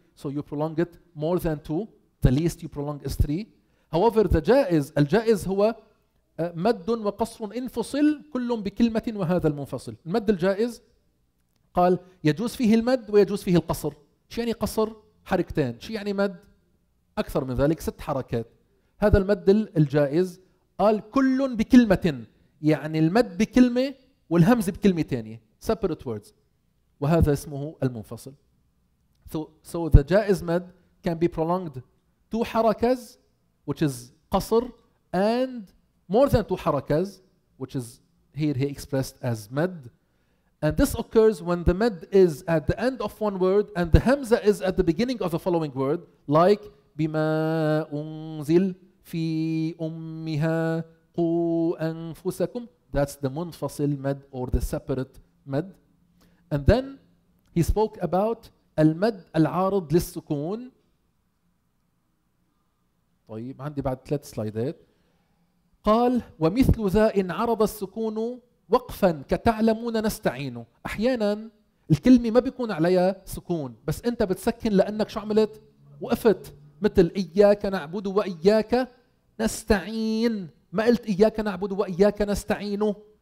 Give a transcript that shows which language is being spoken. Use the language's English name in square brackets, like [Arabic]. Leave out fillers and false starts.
[English] So you prolong it more than two. The least you prolong is three. However, the [Arabic] جائز, الجائز هو مد وقصر انفصل كلهم بكلمة وهذا المنفصل. المد الجائز قال يجوز فيه المد ويجوز فيه القصر. شو يعني قصر؟ حركتين. شو يعني مد؟ أكثر من ذلك، ست حركات. هذا المد الجائز. قال كل بكلمة، يعني المد بكلمة والهمز بكلمة تانية. [English] Separate words. [Arabic] وهذا اسمه المنفصل. [English] So the جائز مد can be prolonged two حركز which is قصر and more than two حركز which is here he expressed as مد. And this occurs when the مد is at the end of one word and the همزة is at the beginning of the following word, like [Arabic] بما أنزل في أمها قو أنفسكم. [English] That's the منفصل مد or the separate مد. And then he spoke about المد العارض للسكون. [Arabic] طيب عندي بعد ثلاث سلايدات. قال ومثل ذا إن عرض السكون وقفا كتعلمون نستعينه. أحيانا الكلمة ما بيكون عليها سكون بس أنت بتسكن لأنك شو عملت؟ وقفت. مثل إياك نعبد وإياك نستعين، ما قلت إياك نعبد وإياك نستعينه.